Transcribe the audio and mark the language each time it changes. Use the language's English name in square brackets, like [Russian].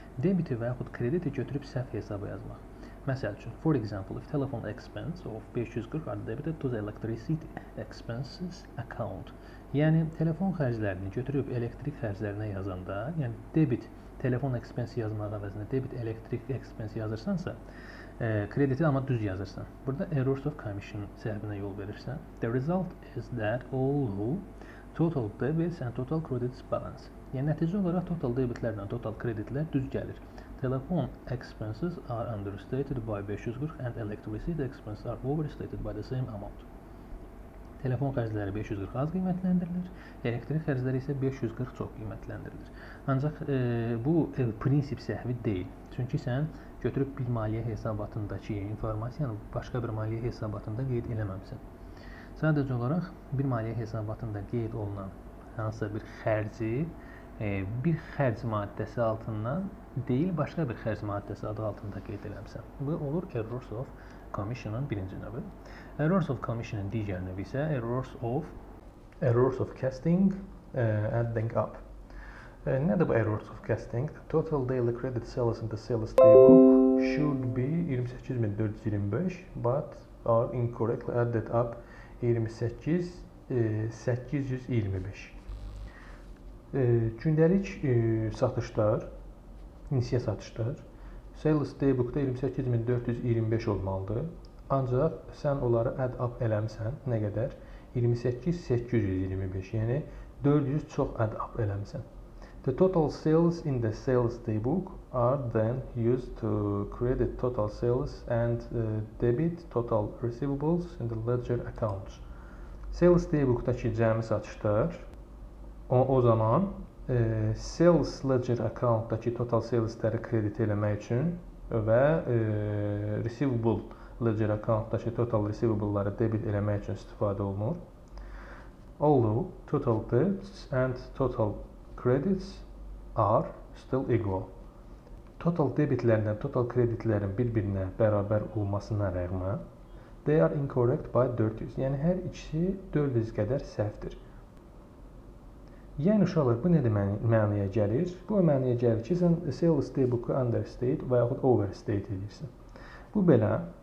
[Azerbaijani] Debiti və yaxud krediti götürüb səhv hesaba yazmaq. Məsəl üçün, [English] for example, if telephone expense of 540 are debited to the electricity expenses account. [Azerbaijani] Yəni, telefon xərclərini götürüb elektrik xərclərinə yazanda, yəni debit telefon expense yazmaq əvəzində debit elektrik expense yazırsansa, krediti amma düz yazırsan. Burada errors of commission səhvinə yol verirsən. [English] The result is that although total debits and total credits balance. [Azerbaijani] Yəni, nəticə olaraq total debitlərlə total kreditlər düz gəlir. [English] Telephone expenses are understated by 540 and electricity expenses are overstated by the same amount. [Azerbaijani] Telefon xərcləri 540 az qiymətləndirilir, elektrik xərcləri isə 540 çox qiymətləndirilir. Ancaq bu prinsip səhvi deyil. Çünki sən götürüb bir maliyyə hesabatındakı informasiyanı başqa bir maliyyə hesabatında qeyd eləməmsən. Sadəcə olaraq bir maliyyə hesabatında qeyd olunan hansısa bir xərci bir xərc maddəsi altından deyil, başqa bir xərc maddəsi adı altında qeyd eləmsən. Bu olur errors of commission-ın birinci növü. Errors of commission-ın digər növü isə errors of casting adding up. Nədir bu errors of casting? [English] The total daily credit sales in the sales table should be 28425, but are incorrectly added up 28825. [Azerbaijani] Gündəlik satışlar, nisiyə satışlar sales daybook-da 28425 olmalıdır. Ancaq sən onları add up eləmsən, nə qədər? 28825, yəni 400 çox add up eləmsən. [English] The total sales in the sales daybook are then used to credit total sales and debit total receivables in the ledger accounts. [Azerbaijani] Sales daybook-dakı cəmi satışlar o zaman sales ledger account-dakı total sales-ləri kredit eləmək üçün və receivable ledger account-dakı total receivable-ları debit eləmək üçün istifadə olunur. [English] Although total debts and total credits are still equal. [Azerbaijani] Total debitlərlə total kreditlərin bir-birinə bərabər olmasına rəğmən [English] they are incorrect by 400. [Azerbaijani] Yəni hər ikisi 400 qədər səhvdir. Yəni, uşaqlar, bu nə mənaya gəlir? Bu mənaya gəlir ki, sən sales daybook-u understate və yaxud overstate edirsən. Bu belə.